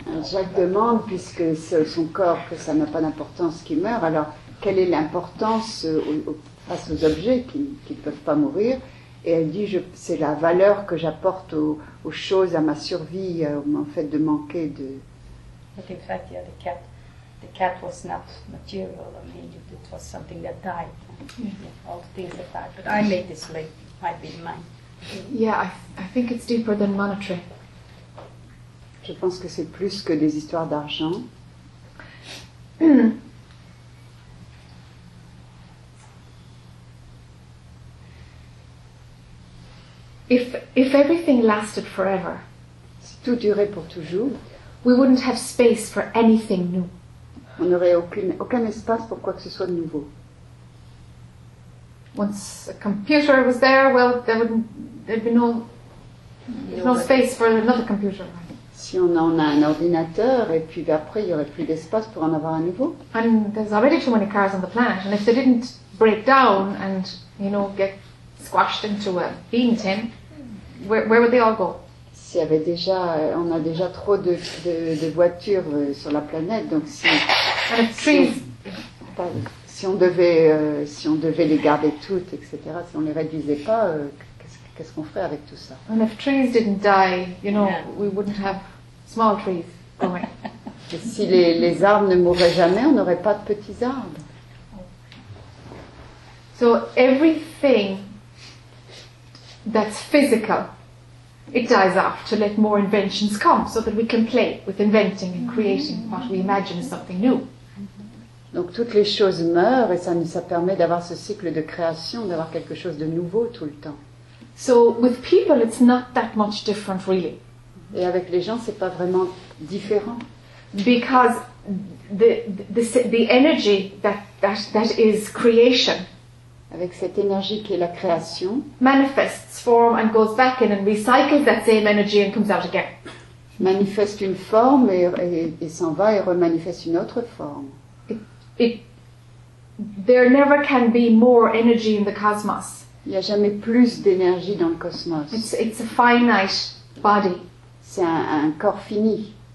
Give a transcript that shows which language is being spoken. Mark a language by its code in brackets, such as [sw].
[fr] Jacques demande, puisque c'est son corps, que ça n'a pas d'importance qu'il meurt, alors quelle est l'importance face aux objets qui ne peuvent pas mourir? Et elle dit, c'est la valeur que j'apporte aux choses, à ma survie, en fait, de manquer de... [en] But in fact, yeah, the cat was not material, I mean, it was something that died, yeah, all the things that died, but I made this link, might be mine. Yeah, I think it's deeper than monetary. [fr] Je pense que c'est plus que des histoires d'argent. [en] If everything lasted forever, [fr] si tout durait pour toujours, [en] we wouldn't have space for anything new. [fr] On n'aurait aucun espace pour quoi que ce soit de nouveau. [en] Once a computer was there, well, there'd be no space for another computer. [fr] Si on en a un ordinateur, et puis après, il n'y aurait plus d'espace pour en avoir un nouveau. [en] And there's already too many cars on the planet, and if they didn't break down and, you know, get squashed into a bean tin, where would they all go? [fr] S'il y avait déjà, on a déjà trop de voitures sur la planète, donc si on devait les garder toutes, etc., si on les réduisait pas, qu'est-ce qu'on ferait avec tout ça? [en] And if trees didn't die, you know, we wouldn't have small trees. [fr] Si les arbres ne mouraient jamais, on n'aurait pas de petits arbres. [en] So everything that's physical, it dies off to let more inventions come, so that we can play with inventing and creating what we imagine is something new. [fr] Donc toutes les choses meurent et ça permet d'avoir ce cycle de création, d'avoir quelque chose de nouveau tout le temps. [en] So with people, it's not that much different, really. [fr] Et avec les gens, c'est pas vraiment différent. [en] Because the energy that is creation. [fr] Avec cette énergie qui est la création, [en] manifests form and goes back in and recycles that same energy and comes out again. [fr] Manifeste une forme et s'en va et remanifeste une autre forme. [en] There never can be more energy in the cosmos. [fr] Il n'y a jamais plus d'énergie dans le cosmos. [en] It's a finite body. [fr] C'est un corps fini.